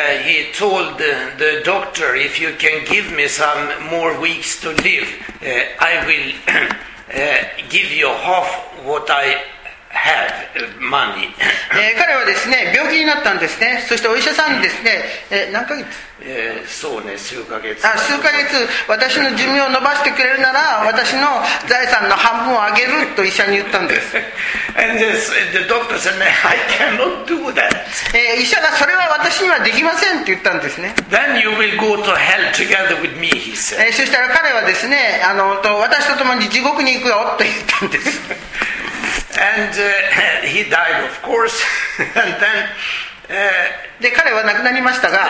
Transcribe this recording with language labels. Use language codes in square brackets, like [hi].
[en] He told the doctor, if you can give me some more weeks to live, I will give you half what I have money. [ja] 彼はですね、病気になったんですね。そしてお医者さんにですね、何ヶ月？そうね、数ヶ月。あ、数ヶ月、私の寿命を延ばしてくれるなら、私の財産の半分をあげると医者に言ったんです。 [en] And this, the doctor said, I cannot do that. [ja] 医者がそれは私にはできませんって言ったんですね。 [en] Then you will go to hell together with me, he said. [ja] そしたら彼はですね、私と共に地獄に行くよと言ったんです。 [en] And he died, of course. And then, [ja] で彼は亡くなりましたが、